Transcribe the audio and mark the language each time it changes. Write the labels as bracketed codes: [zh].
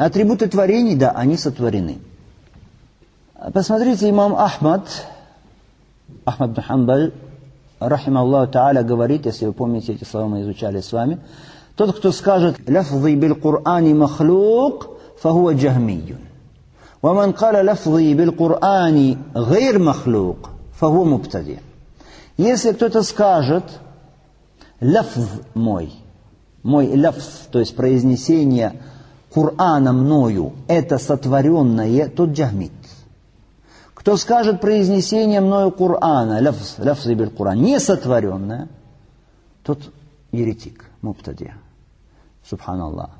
[ru] Атрибуты творений, да, они сотворены. Посмотрите, имам Ахмад, Ахмад ибн Ханбаль, рахима Аллаху Та'аля, говорит, если вы помните эти слова, мы изучали с вами, тот, кто скажет [ar] «Лафзи биль-Кур'ани махлюк, фа хуа джахмийюн». ومن قال لفظي بالقرآن غير مخلوق فهو مبتدئ. [ru] Если кто-то скажет, лафз мой, мой лафз, то есть произнесение Кур'ана мною, это сотворенное, тот джахмит. Кто скажет произнесение мною Кур'ана, лафз, лафз и биль-Кур'ан, не сотворенное, тот еретик, мубтади, субханаллах.